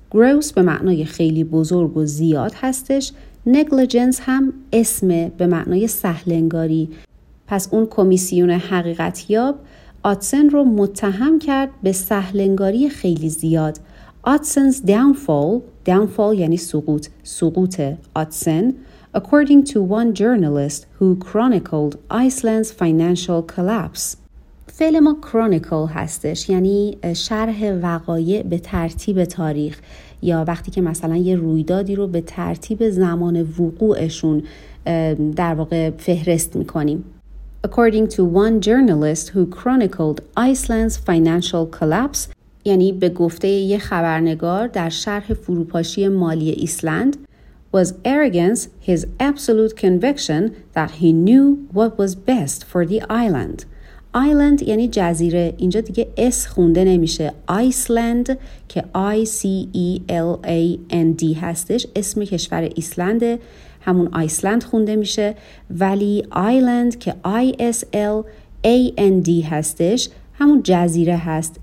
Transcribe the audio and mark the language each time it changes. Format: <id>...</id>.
<fa>Gross به معنای خیلی بزرگ و زیاد هستش. Negligence هم اسم به معنای سهل‌انگاری. پس اون کمیسیون حقیقت‌یاب آدسن رو متهم کرد به سهل‌انگاری خیلی زیاد.</fa> <en>Odson's downfall</en> <fa>یعنی سقوط آدسن.</fa> <en>According to one journalist who chronicled Iceland's financial collapse.</en> <fa>فعل ما chronicle هستش یعنی شرح وقایع به ترتیب تاریخ یا وقتی که مثلا یه رویدادی رو به ترتیب زمان وقوعشون در واقع فهرست میکنیم.</fa> <en>According to one journalist who chronicled Iceland's financial collapse</en> <fa>یعنی به گفته یه خبرنگار در شرح فروپاشی مالی ایسلند.</fa> <en>Was arrogance his absolute conviction that he knew what was best for the island.</en> <fa>Island یعنی جزیره. اینجا دیگه اس خونده نمیشه. Iceland که I-C-E-L-A-N-D هستش. اسم کشور ایسلند همون آیسلند خونده میشه. ولی island که I-S-L-A-N-D هستش همون جزیره هست.</fa>